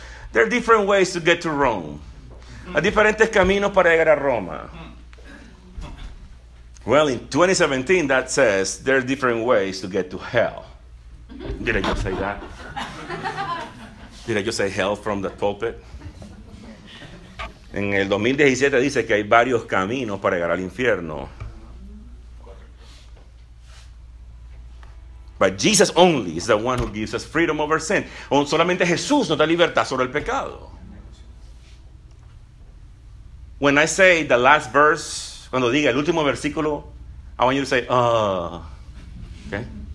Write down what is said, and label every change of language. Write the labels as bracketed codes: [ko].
[en] There are different ways to get to Rome. [es] Hay diferentes caminos para llegar a Roma. [en] Well, in 2017, that says there are different ways to get to hell. Did I just say that? Did I just say hell from the pulpit? [es] En el 2017 dice que hay varios caminos para llegar al infierno. [en] But Jesus only is the one who gives us freedom over sin. [es] Solamente Jesús nos da libertad sobre el pecado. [en] When I say the last verse, [es] cuando diga el último versículo, [en] I want you to say, Okay?